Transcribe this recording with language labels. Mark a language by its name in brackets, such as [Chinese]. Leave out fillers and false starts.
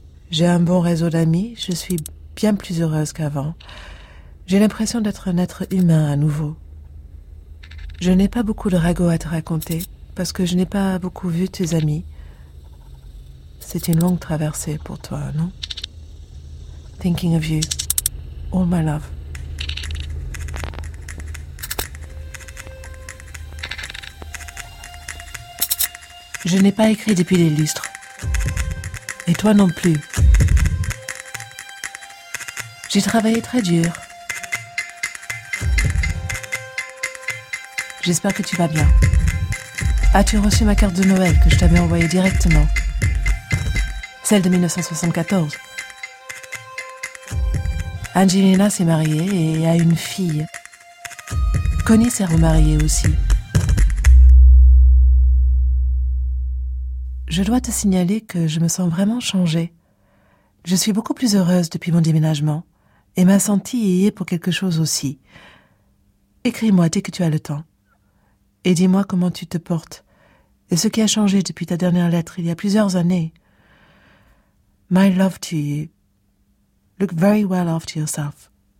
[French] J'ai un bon réseau d'amis, je suis bien plus heureuse qu'avant. J'ai l'impression d'être un être humain à nouveau. Je n'ai pas beaucoup de ragots à te raconter, parce que je n'ai pas beaucoup vu tes amis. C'est une longue traversée pour toi, non? [English] Thinking of you, all my love. [French] Je n'ai pas écrit depuis les lustres. Et toi non plus. J'ai travaillé très dur. J'espère que tu vas bien. As-tu reçu ma carte de Noël que je t'avais envoyée directement? celle de 1974. Angelina s'est mariée et a une fille. Connie s'est remariée aussi. Je dois te signaler que je me sens vraiment changée. Je suis beaucoup plus heureuse depuis mon déménagement et m'a sentie y est pour quelque chose aussi. Écris-moi dès que tu as le temps. Et dis-moi comment tu te portes et ce qui a changé depuis ta dernière lettre il y a plusieurs années. [English] My love to you. Look very well after yourself.